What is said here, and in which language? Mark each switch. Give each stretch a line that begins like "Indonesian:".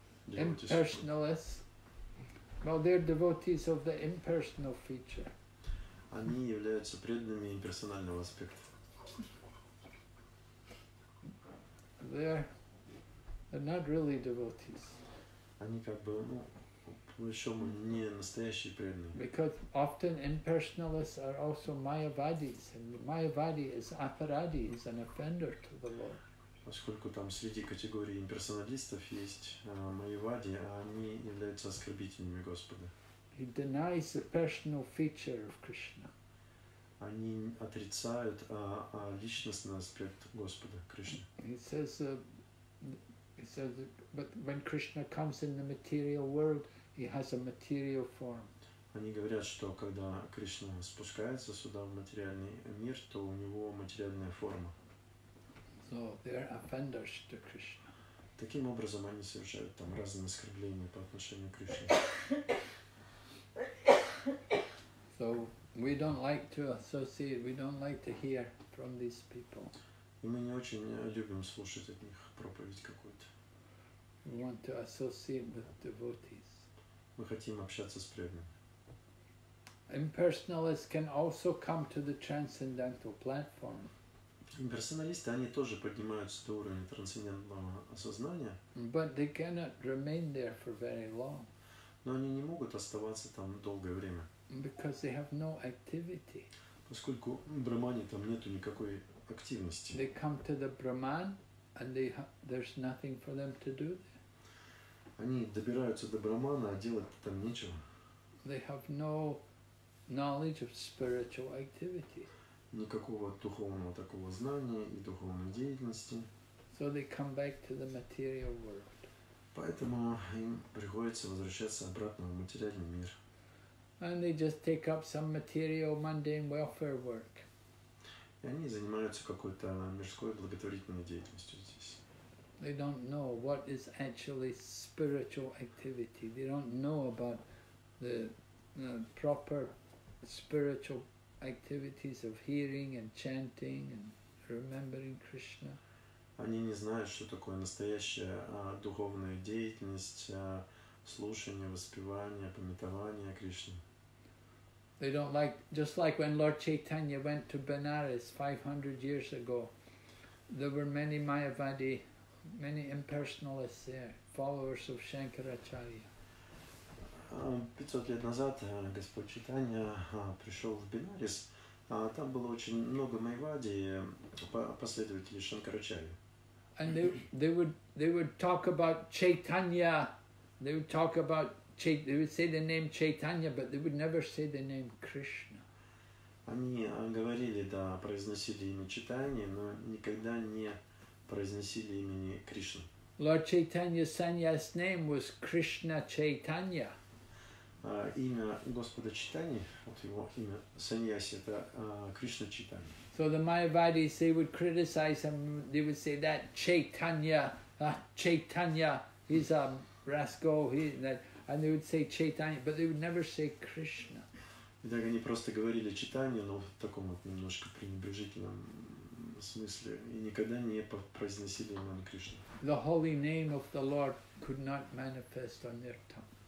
English: Impersonalists? Well, they're devotees of the impersonal feature.
Russian: Они являются преданными имперсонального аспекта.
English: They're not really devotees.
Russian: Они как бы, ну, еще мы не настоящие преданные.
English: Because often impersonalists are also mayavadis, and mayavadi is aparadi, is an offender to the Lord.
Russian: Поскольку там среди категории имперсоналистов есть майявади, а они являются оскорбителями Господа.
English: He denies the personal feature of Krishna.
Russian: Они отрицают личностный аспект Господа Кришны.
English: He says, but when Krishna comes in the material world, He has a material form.
Russian: Они говорят, что когда Кришна спускается сюда в материальный мир, то у него материальная форма.
English: So they are offenders to Krishna.
Russian: Таким образом, они совершают там разные оскорбления по отношению к Кришне.
English: So we don't like to associate, we don't like to hear from these people.
Russian: И мы не очень любим слушать от них проповедь какую-то.
English: We want to associate with devotees.
Russian: Мы хотим общаться с преданными.
English: Impersonalists can also come to the transcendental platform.
Russian: Имперсоналисты, они тоже поднимаются до уровня трансцендентного сознания.
English: But they cannot remain there for very long.
Russian: Но они не могут оставаться там долгое время.
English: Because they have no activity.
Russian: Поскольку в брамане там нету никакой активности.
English: They come to the Brahman and there's nothing for them to do.
Russian: Они добираются до Брахмана, а делать там нечего.
English: They have no knowledge of spiritual activity.
Russian: Никакого духовного такого знания и духовной деятельности.
English: So they come back to the material world.
Russian: Поэтому им приходится возвращаться обратно в материальный мир.
English: And they just take up some material mundane welfare work.
Russian: И они занимаются какой-то мирской благотворительной деятельностью здесь.
English: They don't know what is actually spiritual activity. They don't know about the proper spiritual activities of hearing and chanting and remembering Krishna.
Russian: Они не знают, что такое настоящая духовная деятельность, слушание, воспевание, памятование Кришны.
English: They don't like, just like when Lord Chaitanya went to Benares 500 years ago, there were many Mayavadi, many impersonalists there, followers of Shankaracharya.
Russian: 500 лет назад Господь Чайтанья пришел в Бенарес. Там было очень много майявади, последователей Шанкарачарьи.
English: And they would talk about Chaitanya. They would talk about they would say the name Chaitanya, but they would never say the name Krishna.
Russian: Они говорили, да, произносили имя Чайтанья, но никогда не произносили имени Кришны.
English: Lord Chaitanya Sanya's name was Krishna Chaitanya.
Russian: Имя Господа Чайтаньи, вот его имя Саньяси, это Кришна Чайтанья.
English: So the Mayavadis, they would criticize him, they would say that Chaitanya, he's a rascal, and they would say Chaitanya, but they would never say Krishna.
Russian: Итак, они просто говорили Чайтанья, но в таком вот немножко пренебрежительном смысле, и никогда не произносили имя Кришна.
English: The holy name of the Lord could not manifest on their tongue.